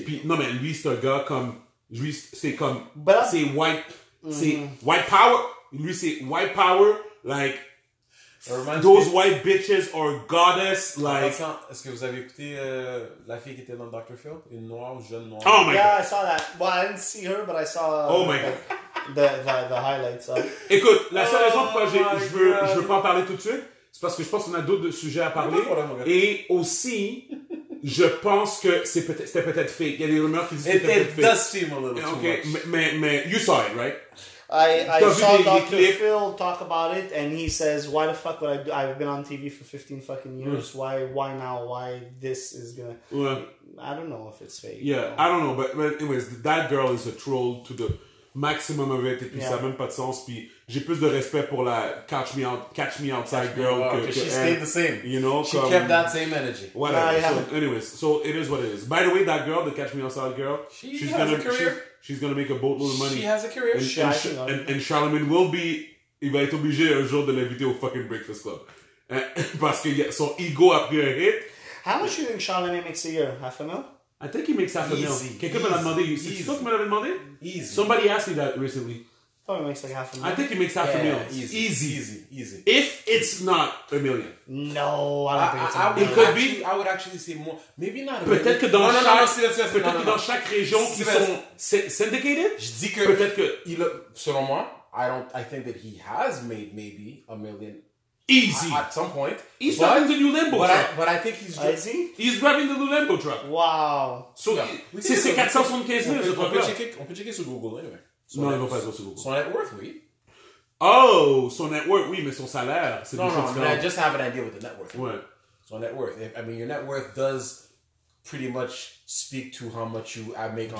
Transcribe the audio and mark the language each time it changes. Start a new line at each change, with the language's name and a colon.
French: Puis, non, mais lui, c'est un gars comme... Lui, c'est comme... But... C'est white... C'est mm-hmm. white power. Lui, c'est
English: white power. Like, those white bitches are goddess. Like,
French: attends, est-ce que vous avez écouté la fille qui était dans Dr. Phil? Une noire, jeune noire.
English: Oh my god. Yeah, I saw that. Well, I didn't see her, but I saw the highlights. So.
French: Écoute, la seule raison pourquoi je veux pas en parler tout de suite, c'est parce que je pense qu'on a d'autres sujets à parler. Et aussi, je pense que c'était peut-être fake. Il y a des rumeurs qui disent que c'était peut-être fake.
English: It does seem a little too much. Mais, you saw it, right? I saw Dr. Phil talk about it, and he says, why the fuck would I do? I've been on TV for 15 fucking years. Mm. Why now? Why this is gonna...
French: Ouais.
English: I don't know if it's fake. Yeah, you know? I don't know. But anyways, that girl is a troll to the maximum of it.
French: Et puis ça n'a même pas de sens. Puis j'ai plus de respect pour la catch me outside girl.
English: Because she stayed the same. You know? She kept that same energy. Whatever. Yeah, yeah. So, anyways, so it is what it is. By the way, that girl, the catch me outside girl, she's going to make a boatload of money. She has a career. And Charlamagne will be...
French: Il va être obligé un jour de l'inviter au fucking Breakfast Club. Parce que son ego a pris un hit.
English: How much do you think Charlamagne makes a year? Half a mil? I think he makes half a mil.
French: Quelqu'un me l'a demandé. C'est toi qui me l'avais demandé?
English: Easy. Somebody asked me that recently. Probably makes like half a mil. I think he makes half a mil. Easy. If it's not a million. No, I don't think it's a million. It could be. I would actually say more. Maybe not a million.
French: Peut-être que dans chaque région qui sont syndicated. Je dis que peut-être que il a, selon moi,
English: I think that he has made maybe a million. Easy. At some point. He's driving the new Lambo truck. But I think he's... Is he? He's driving the new Lambo truck. Wow. So, yeah.
French: C'est 475 000. On peut checker sur Google, anyway. Il ne va pas être sur Google. Son net worth, oui. Oh, son net worth, oui, mais son salaire, c'est du chantier.
English: No, I just have an idea with the net worth.
French: Ouais. Son net worth.
English: I mean, your net worth does pretty much speak to how much you make on average.